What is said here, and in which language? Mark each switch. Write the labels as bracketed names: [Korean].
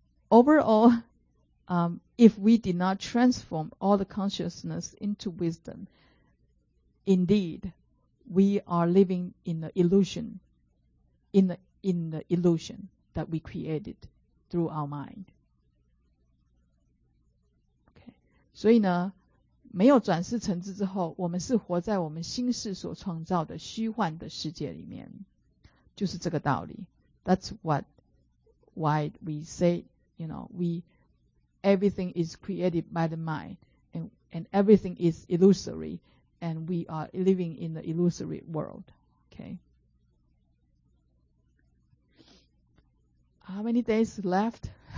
[English] Overall, if we did not transform all the consciousness into wisdom, indeed, we are living in the illusion, in the illusion that we created through our mind. Okay. [Chinese] 所以呢，没有转世成智之后，我们是活在我们心事所创造的虚幻的世界里面，就是这个道理。 [English] That's why we say. You know, everything is created by the mind, and everything is illusory, and we are living in the illusory world. Okay. How many days left?